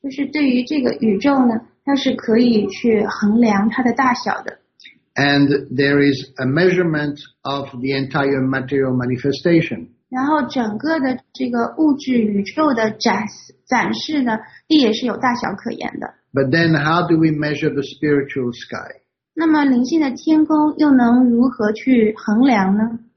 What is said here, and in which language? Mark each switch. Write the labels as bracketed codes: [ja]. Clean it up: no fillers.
[zh] 就是对于这个宇宙呢，它是可以去衡量它的大小的。 [en] And there is a measurement of the entire material manifestation. [zh] 然后整个的这个物质宇宙的展示呢，地也是有大小可言的。 [en] But then how do we measure the spiritual sky? [zh] 那么灵性的天空又能如何去衡量呢？